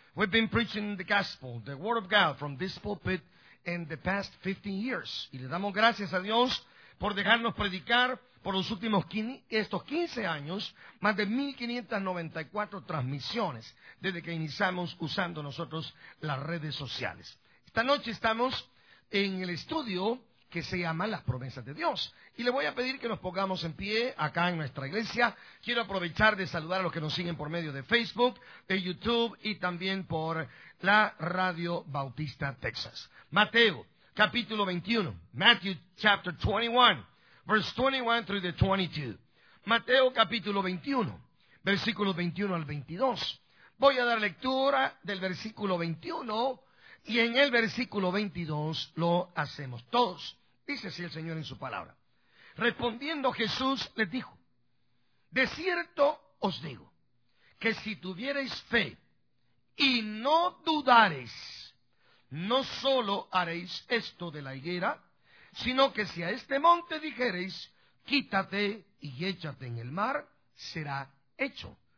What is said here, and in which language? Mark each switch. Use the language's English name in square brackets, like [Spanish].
[English] We've been preaching the gospel, the word of God from this pulpit in the past 15 years. [Spanish] Y le damos gracias a Dios por dejarnos predicar por los últimos estos 15 años, más de 1594 transmisiones desde que iniciamos usando nosotros las redes sociales. Esta noche estamos en el estudio que se llama Las Promesas de Dios. Y le voy a pedir que nos pongamos en pie acá en nuestra iglesia. Quiero aprovechar de saludar a los que nos siguen por medio de Facebook, de YouTube y también por la Radio Bautista Texas. Mateo, capítulo 21. [English] Matthew, chapter 21, verse 21 through the 22. [Spanish] Mateo, capítulo 21, versículo 21 al 22. Voy a dar lectura del versículo 21. Y en el versículo 22 lo hacemos todos, dice así el Señor en su palabra. Respondiendo Jesús les dijo, de cierto os digo, que si tuviereis fe y no dudareis, no solo haréis esto de la higuera, sino que si a este monte dijereis, quítate y échate en el mar, será hecho.